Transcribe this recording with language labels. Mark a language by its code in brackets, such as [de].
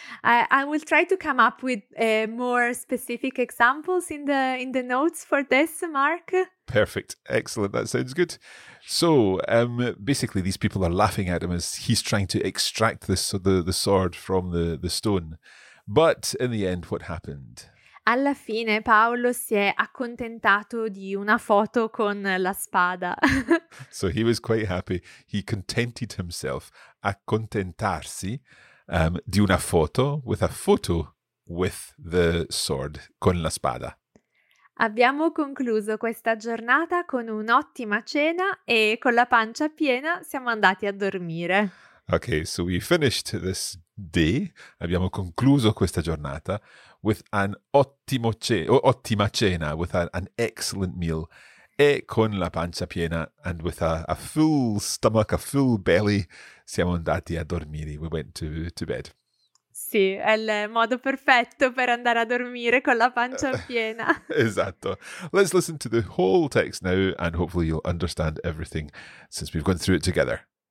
[en] I will try to come up with more specific examples in the notes for this, Mark. Perfect. Excellent. That sounds good. So basically these people are laughing at him as he's trying to extract the sword from the stone. But in the end, what happened? [it] Alla fine Paolo si è accontentato di una foto con la spada. [en] So he was quite happy. He contented himself [it] accontentarsi di una foto [en] with a photo with the sword [it] con la spada. Abbiamo concluso questa giornata con un'ottima cena e con la pancia piena siamo andati a dormire. [en] Okay, so we finished this day. [it] Abbiamo concluso questa giornata [en] with an [it] ottima cena, [en] with an excellent meal, [it] e con la pancia piena, [en] and with a full stomach, a full belly, [it] siamo andati a dormire. [en] We went to bed. [it] Sì, è il modo perfetto per andare a dormire con la pancia piena. Esatto. [en] Let's listen to the whole text now, and hopefully you'll understand everything since we've gone through it together.